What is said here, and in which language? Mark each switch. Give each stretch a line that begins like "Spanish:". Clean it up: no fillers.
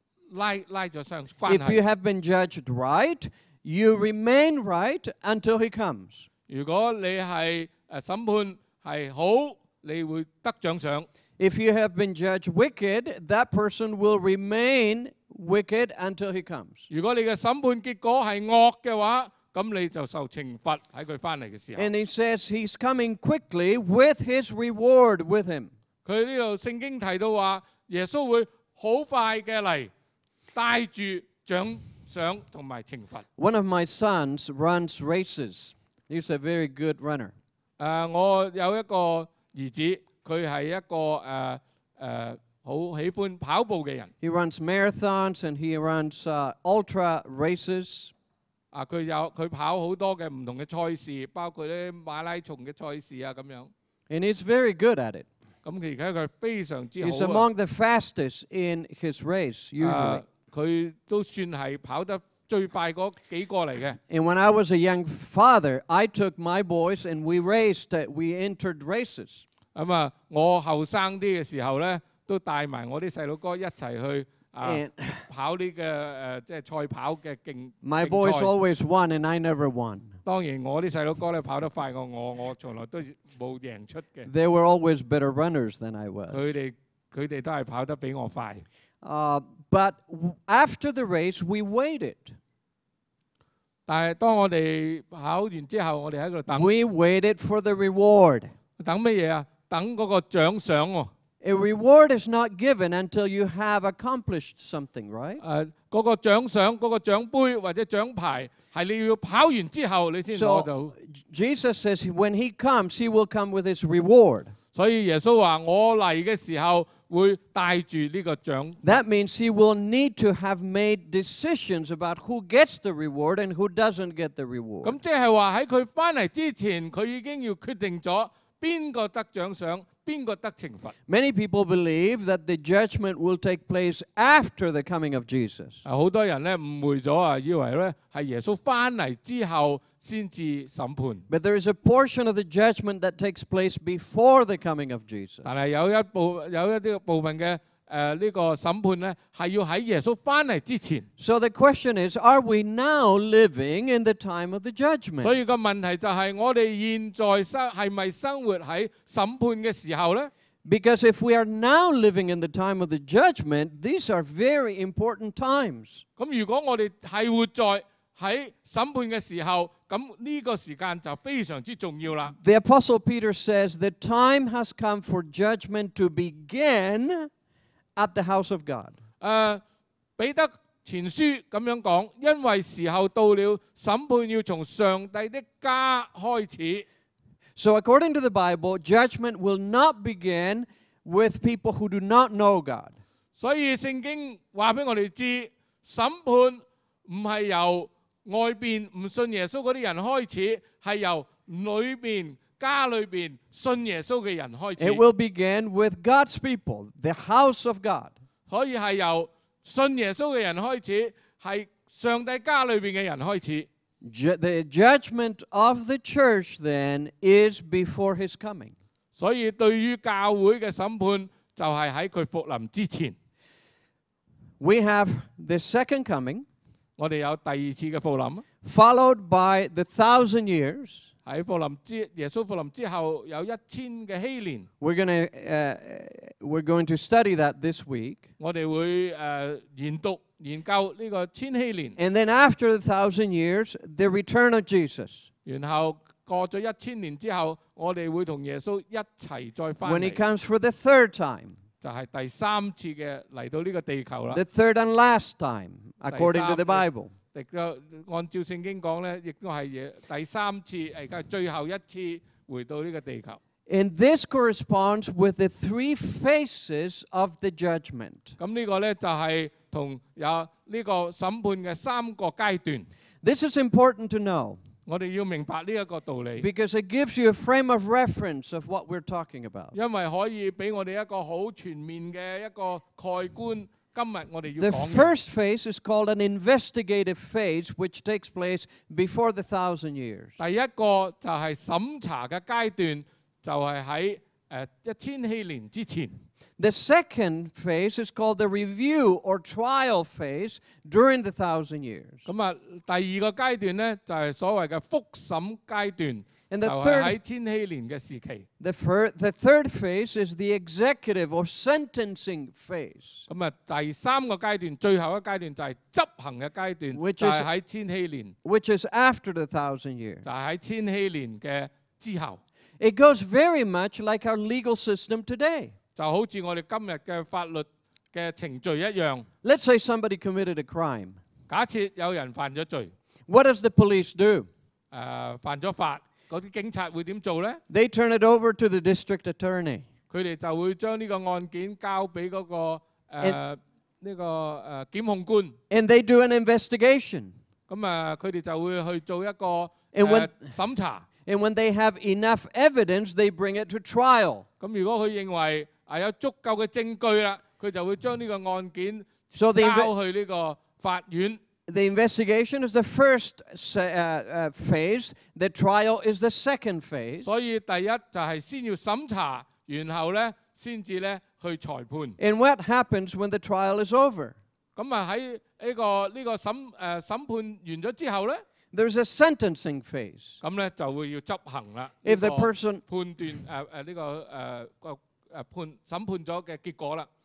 English: If you have been judged right, you remain right until he comes.
Cantonese: 如果你係審判係好，你會得獎賞。
English: If you have been judged wicked, that person will remain wicked until he comes.
Cantonese: 如果你嘅審判結果係惡嘅話，咁你就受懲罰喺佢翻嚟嘅時候。
English: And he says he's coming quickly with his reward with him.
Cantonese: 佢呢度聖經提到話。耶稣会好快嘅嚟，带住奖赏同埋惩罚。
English: One of my sons runs races. He's a very good runner.
Cantonese: 我有一个儿子，佢系一个好喜欢跑步嘅人。
English: He runs marathons and he runs ultra races.
Cantonese: 佢跑好多嘅唔同嘅赛事，包括啲马拉松嘅赛事啊咁样。
English: And he's very good at it.
Cantonese: 咁而且佢非常之好。
English: He's among the fastest in his race usually.
Cantonese: 佢都算係跑得最快嗰幾個嚟嘅。
English: And when I was a young father, I took my boys and we entered races.
Cantonese: 咁啊，我後生啲嘅時候咧，都帶埋我啲細佬哥一齊去。跑呢個即係賽跑嘅競賽。
English: My boys always won and I never won.
Cantonese: 當然我啲細佬哥咧跑得快過我，我從來都冇贏出嘅。
English: They were always better runners than I was.
Cantonese: 佢哋都係跑得比我快。
English: But after the race, we waited.
Cantonese: 但係當我哋跑完之後，我哋喺度等。
English: We waited for the reward.
Cantonese: 等乜嘢啊？等嗰個獎賞喎。
English: A reward is not given until you have accomplished something, right?
Cantonese: 嗰個獎賞、嗰個獎杯或者獎牌係你要跑完之後你先攞到。
English: So Jesus says, when he comes, he will come with his reward.
Cantonese: 所以耶穌話：我嚟嘅時候會帶住呢個獎。
English: That means he will need to have made decisions about who gets the reward and who doesn't get the reward.
Cantonese: 咁即係話喺佢翻嚟之前，佢已經要決定咗邊個得獎賞。
English: Many people believe that the judgment will take place after the coming of Jesus.
Cantonese: 好多人咧誤會咗啊，以為咧係耶穌翻嚟之後先至審判。
English: But there is a portion of the judgment that takes place before the coming of Jesus.
Cantonese: 但係有一啲部分嘅呢個審判咧，係要喺耶穌翻嚟之前。
English: So the question is, are we now living in the time of the judgment?
Cantonese: 所以個問題就係我哋現在係咪生活喺審判嘅時候咧？
English: Because if we are now living in the time of the judgment, these are very important times.
Cantonese: 咁如果我哋係活在喺審判嘅時候，咁呢個時間就非常之重要啦。
English: The Apostle Peter says the time has come for judgment to begin. At the house of God.
Cantonese: 彼得前書咁樣講，因為時候到了，審判要從上帝的家開始。
English: So according to the Bible, judgment will not begin with people who do not know God.
Cantonese: 所以聖經話俾我哋知，審判唔係由外邊唔信耶穌嗰啲人開始，係由裏邊。
English: It will begin with God's people, the house of God.
Cantonese: 可以係由信耶穌嘅人開始，係上帝家裏邊嘅人開始。
English: The judgment of the church then is before His coming.
Cantonese: 所以對於教會嘅審判就係喺佢復臨之前。
English: We have the second coming.
Cantonese: 我哋有第二次嘅復臨。
English: Followed by the 1,000 years.
Cantonese: 在復臨之耶穌復臨之後有一千嘅禧年。
English: We're going to study that this week.
Cantonese: 我哋會研究呢個千禧年。
English: And then after the 1,000 years, the return of Jesus.
Cantonese: 然後過咗一千年之後，我哋會同耶穌一齊再翻嚟。
English: When he comes for the third time.
Cantonese: 就係第三次嘅嚟到呢個地球啦。
English: The third and last time, according to the Bible.
Cantonese: 按照聖經講咧，亦都係第三次，而家最後一次回到呢個地球。
English: And this corresponds with the 3 phases of the judgment.
Cantonese: 咁呢個咧就係同有呢個審判嘅三個階段。
English: This is important to know.
Cantonese: 我哋要明白呢一個道理。
English: Because it gives you a frame of reference of what we're talking about.
Cantonese: 因為可以俾我哋一個好全面嘅一個概觀。
English: The first phase is called an investigative phase, which takes place before the 1,000 years.
Cantonese: 第一個就係審查嘅階段，就係喺一千禧年之前。
English: The second phase is called the review or trial phase during the 1,000 years.
Cantonese: 咁啊，第二個階段咧就係所謂嘅復審階段。
English: And the third phase is the executive or sentencing phase.
Cantonese: 咁啊，第三個階段，最後一階段就係執行嘅階段，就係喺千禧年。
English: Which is after the 1,000 years.
Cantonese: 就係喺千禧年嘅之後。
English: It goes very much like our legal system today.
Cantonese: 就好似我哋今日嘅法律嘅程序一樣。
English: Let's say somebody committed a crime.
Cantonese: 假設有人犯咗罪。
English: What does the police do?
Cantonese: 犯咗法。嗰啲警察會點做咧？
English: They turn it over to the district attorney.
Cantonese: 佢哋就會將呢個案件交俾嗰個檢控官。
English: And they do an investigation.
Cantonese: 咁啊，佢哋就會去做一個審查。
English: And when they have enough evidence, they bring it to trial.
Cantonese: 咁如果佢認為啊有足夠嘅證據啦，佢就會將呢個案件交去呢個法院。
English: The investigation is the first phase. The trial is the second phase.
Cantonese: 所以第一就係先要審查，然後咧先至咧去裁判。
English: And what happens when the trial is over?
Cantonese: 咁啊喺呢個審判完咗之後咧？
English: There's a sentencing phase.
Cantonese: 咁咧就會要執行啦。
English: If the person
Cantonese: 判斷審判咗嘅結果啦。